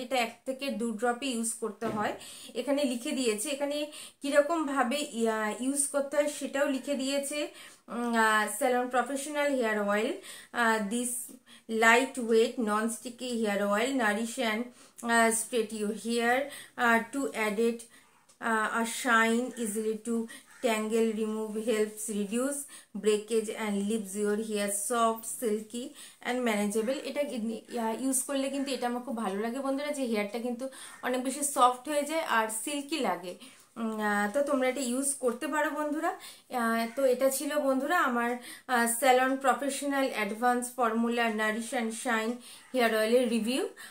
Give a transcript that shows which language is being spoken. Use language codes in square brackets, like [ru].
[bn] এটা 1 থেকে 2 ড্রপই ইউজ করতে হয়, এখানে লিখে দিয়েছে, এখানে কীরকমভাবে ইউজ করতে হয় সেটাও লিখে দিয়েছে। [en] Salon professional hair oil, this light weight non sticky hair oil nourish and straight your hair, to added a shine easily to Tangle remove helps reduce breakage and leaves your hair soft, silky and manageable. [bn] এটা use করলে কিন্তু এটা আমার খুব ভালো লাগে বন্ধুরা, যে হেয়ারটা কিন্তু অনেক বেশি সফট হয়ে যায় আর সিল্কি লাগে। তো তোমরা এটা ইউজ করতে পারো বন্ধুরা। তো এটা ছিল বন্ধুরা আমার salon professional advance formula Nourish and shine hair অয়েলের রিভিউ।